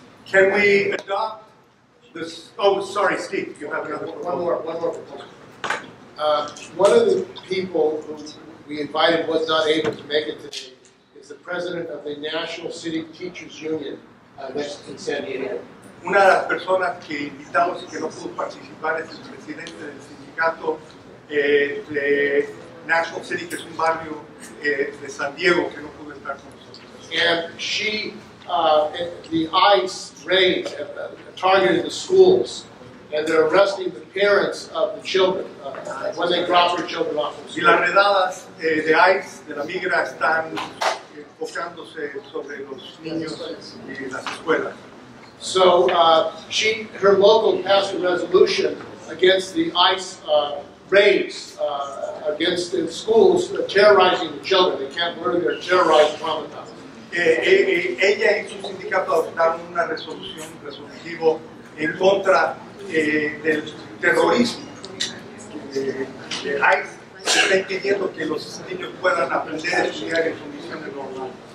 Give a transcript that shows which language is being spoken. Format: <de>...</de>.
<en>Can we adopt this? Oh, sorry, Steve, you have another proposal. One more proposal. One of the people who we invited was not able to make it today is the president of the National City Teachers Union, which is in San Diego.</en> <es>Una de las personas que invitamos y que no pudo participar es el presidente del sindicato de National City, que es un barrio de San Diego, que no pudo estar con nosotros.</es> <en>And she, the ICE raids have targeted the schools, and they're arresting the parents of the children when they drop their children off from school.</en> <es>Y las redadas de ICE, de la migra, están enfocándose sobre los niños y las escuelas.</es> <en>So her local passed a resolution against the ICE raids against the schools terrorizing the children. They can't learn, they're terrorized from them.</en> <es>Ella y su sindicato adoptaron una resolución resolutiva en contra del terrorismo. Se está impidiendo que los niños puedan aprender a estudiar en condiciones normales.</es>